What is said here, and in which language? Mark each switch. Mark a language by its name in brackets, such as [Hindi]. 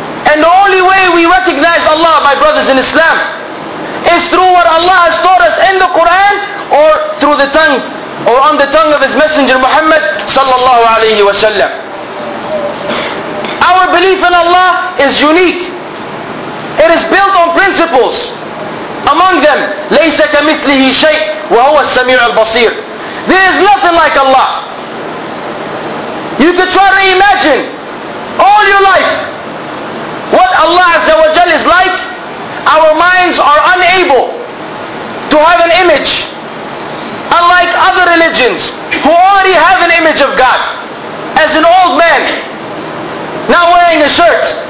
[English] And the only way we recognize Allah, my brothers in Islam, is through what Allah has taught us in the Quran or through the tongue or on the tongue of His Messenger Muhammad sallallahu alayhi wa sallam. Our belief in Allah is unique. It is built on principles. Among them, [Arabic] لَيْسَ كَمِثْلِهِ شَيْءٍ وَهُوَ السَّمِيعُ الْبَصِيرُ. [English] There is nothing like Allah. You can try to imagine all your life what Allah Azza wa Jal is like. Our minds are unable to have an image. Unlike other religions who already have an image of God as an old man, not wearing a shirt.